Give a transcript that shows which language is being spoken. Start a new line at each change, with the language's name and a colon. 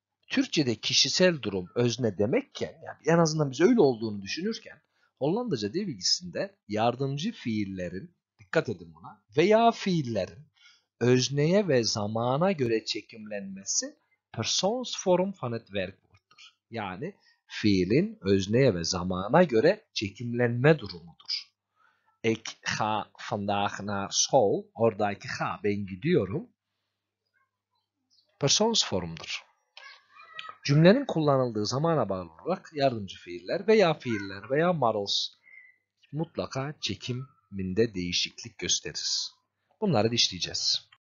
Turkish: Türkçe'de kişisel durum özne demekken, yani en azından biz öyle olduğunu düşünürken, Hollandaca dil bilgisinde yardımcı fiillerin, dikkat edin buna, veya fiillerin özneye ve zamana göre çekimlenmesi persons form fonet verbdir. Yani fiilin özneye ve zamana göre çekimlenme durumudur.
Dutch: Ik ga vandaag naar school.
Turkish: Oradaki ga ben gidiyorum. Persons formdur. Cümlenin kullanıldığı zamana bağlı olarak yardımcı fiiller veya fiiller veya marals mutlaka çekiminde değişiklik gösterir. Bunları işleyeceğiz.